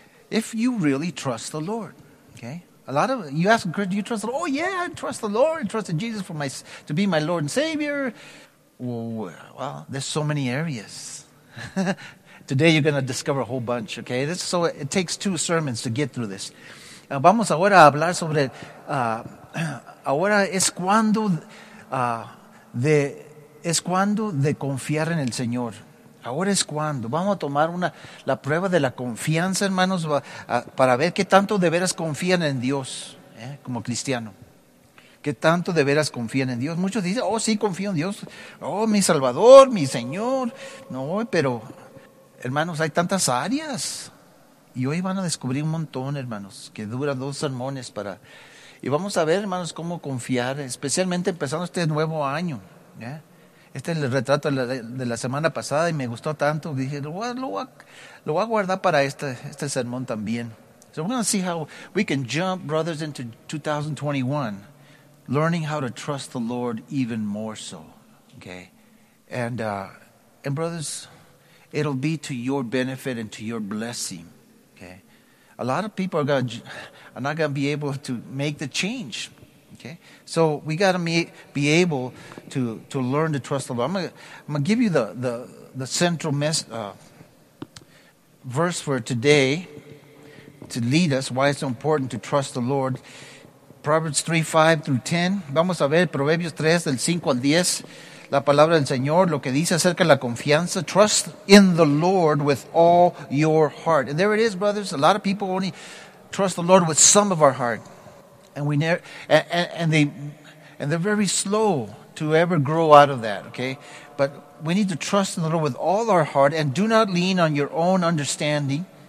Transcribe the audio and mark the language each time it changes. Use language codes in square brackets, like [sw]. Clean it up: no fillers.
[en] If you really trust the Lord, okay. A lot of you ask, "Do you trust the Lord?" Oh yeah, I trust the Lord. I trusted Jesus to be my Lord and Savior. Well, there's so many areas. Today you're going to discover a whole bunch, okay? So it takes two sermons to get through this. [es] Vamos ahora a hablar sobre, ahora es cuando de confiar en el Señor. Ahora es cuando. Vamos a tomar la prueba de la confianza, hermanos, para ver qué tanto de veras confían en Dios, como cristiano. ¿Qué tanto de veras confían en Dios? Muchos dicen, oh sí, confío en Dios. Oh, mi Salvador, mi Señor. No, pero hermanos, hay tantas áreas. Y hoy van a descubrir un montón, hermanos, que dura dos sermones para. Y vamos a ver, hermanos, cómo confiar, especialmente empezando este nuevo año. Este es el retrato de la semana pasada y me gustó tanto. Dije, lo voy a guardar para este sermón también. [en] So we're going to see how we can jump, brothers, into 2021, learning how to trust the Lord even more so. Okay. And brothers, it'll be to your benefit and to your blessing. Okay, a lot of people are not going to be able to make the change. Okay, so we got to be able to learn to trust the Lord. I'm gonna give you the central verse for today to lead us why it's important to trust the Lord. [es] Proverbs 3:5-10. Vamos a ver Proverbios 3 del 5 al 10. La palabra del Señor, lo que dice acerca de la confianza. [en] Trust in the Lord with all your heart. And there it is, brothers. A lot of people only trust the Lord with some of our heart. And they're very slow to ever grow out of that, okay? But we need to trust in the Lord with all our heart and do not lean on your own understanding.